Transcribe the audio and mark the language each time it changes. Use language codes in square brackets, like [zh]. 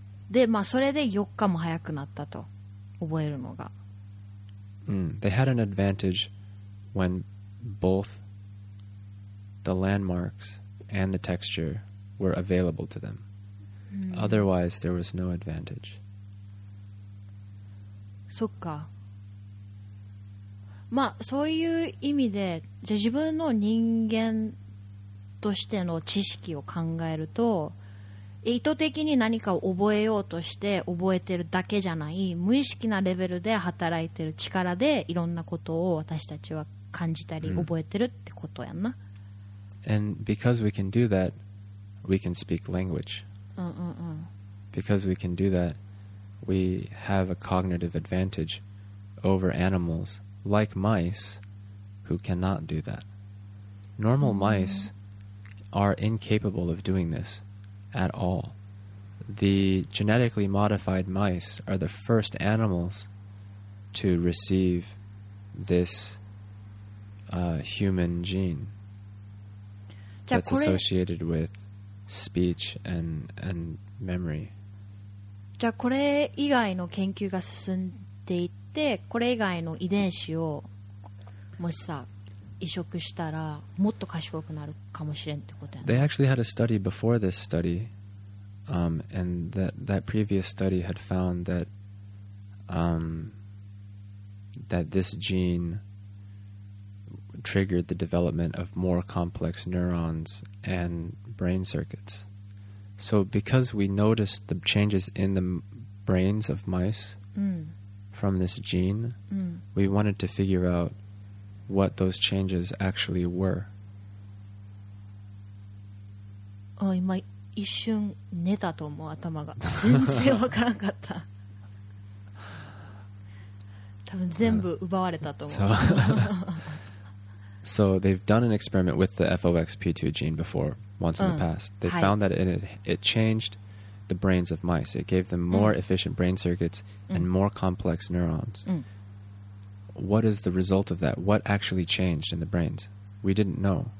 [ja] で、まあそれで4日も早くなったと覚えるのが。 [en] They had an advantage when both the landmarks and the texture were available to them. Otherwise, there was no advantage. [ja] そっか。まあそういう意味で、じゃ自分の人間としての知識を考えると、意図的に何かを覚えようとして覚えてるだけじゃない、無意識なレベルで働いてる力でいろんなことを私たちは感じたり覚えてるってことやな。 [en] And because we can do that, we can speak language. Because we can do that, we have a cognitive advantage over animals like mice who cannot do that. Normal mice are incapable of doing this at all. The genetically modified mice are the first animals to receive this human gene that's associated with speech and memory. [ja] じゃあこれ以外の研究が進んでいって、これ以外の遺伝子をもしさ移植したらもっと賢くなるかもしれんってことやね。 [en] They actually had a study before this study, and that previous study had found that that this gene triggered the development of more complex neurons and brain circuits. So because we noticed the changes in the brains of mice from this gene, we wanted to figure outwhat those changes actually were. [ja] あ、今一瞬寝たと思う、頭が全然わからんかった。多分全部奪われたと思う。 [en] So they've done an experiment with the FOXP2 gene before, once in the past. They found that it changed the brains of mice. It gave them more efficient brain circuits and more complex neurons. What is the result of that? What actually changed in the brains? We didn't know.